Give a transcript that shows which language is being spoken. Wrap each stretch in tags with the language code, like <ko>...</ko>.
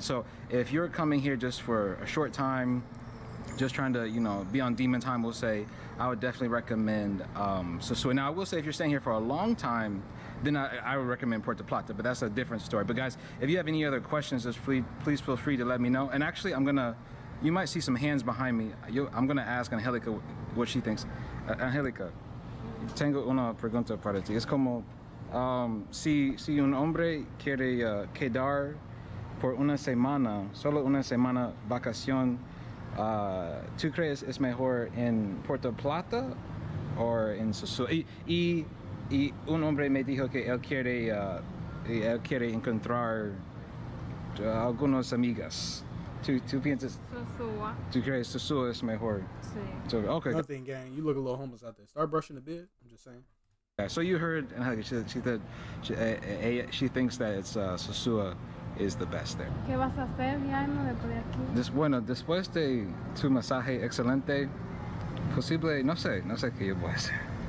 <en>So if you're coming here just for a short time, just trying to, you know, be on demon time, we'll say, I would definitely recommend Sosua. Now, I will say, if you're staying here for a long time, then I would recommend Puerto Plata, but that's a different story. But guys, if you have any other questions, just please feel free to let me know. And actually, you might see some hands behind me. I'm going to ask Angelica what she thinks.</en> <es>Angelica, tengo una pregunta para ti. Es como, si un hombre quiere quedar por una semana, solo una semana vacacion, ¿tú crees es mejor en Puerto Plata o en Sosua? Y un hombre me dijo que él quiere encontrar algunas amigas. ¿Tú piensas? Sosua. ¿Tú crees Sosua es mejor? Sí.</es> <en>Okay. Nothing, gang. You look a little homeless out there. Start brushing a bit. I'm just saying. Yeah, so you heard, and she thinks that it's Sosua is the best there.</en> <es>¿Qué vas a hacer ya en lo de por aquí? Después de tu masaje excelente, posible, no sé qué yo voy a hacer.</es>